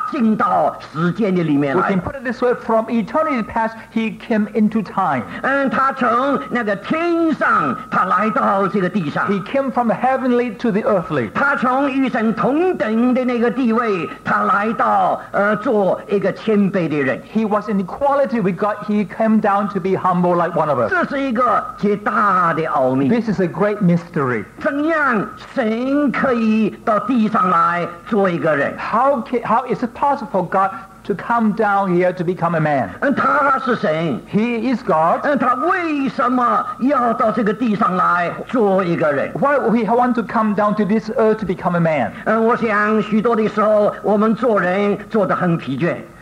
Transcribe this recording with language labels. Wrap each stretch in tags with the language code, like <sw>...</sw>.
<zh>他可以说是从那个永远的里面，他进到时间的里面来。</zh> <en>We can put it this way, from eternity past, he came into time.</en> <zh>他从那个天上，他来到这个地上。</zh> <en>He came from the heavenly to the earthly.</en> <zh>他从与神同等的那个地位，他来到做一个谦卑的人。</zh> <en>He was in equality with God, he came down to be humble like one of us.</en> <zh>这是一个极大的奥秘。</zh> <en>This is a great mystery. How is it possible for God to come down here to become a man?</en> <zh>他是谁?</zh> <en>He is God.</en> <zh>他为什么要到这个地上来做一个人?</zh> <en>Why would he want to come down to this earth to become a man?</en> <zh>我想许多的时候我们做人做得很疲倦。</zh>